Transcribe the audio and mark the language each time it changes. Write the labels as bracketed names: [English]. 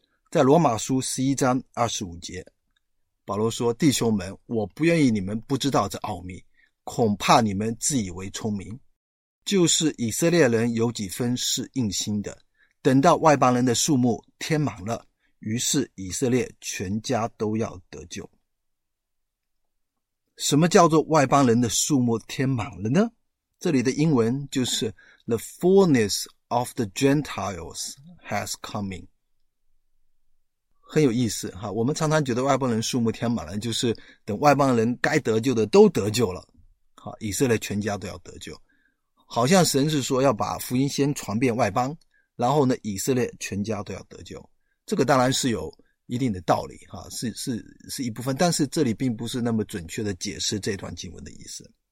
[Chinese] 在罗马书11章25节，保罗说，弟兄们，我不愿意你们不知道这奥秘，恐怕你们自以为聪明，就是以色列人有几分是硬心的，等到外邦人的数目填满了，于是以色列全家都要得救。什么叫做外邦人的数目填满了呢？ [English] 这里的英文就是 The fullness of the Gentiles has coming。 [Chinese] 很有意思哈，我们常常觉得外邦人数目填满了，就是等外邦人该得救的都得救了，以色列全家都要得救，好像神是说要把福音先传遍外邦，然后呢，以色列全家都要得救。这个当然是有一定的道理，是一部分，但是这里并不是那么准确的解释这段经文的意思。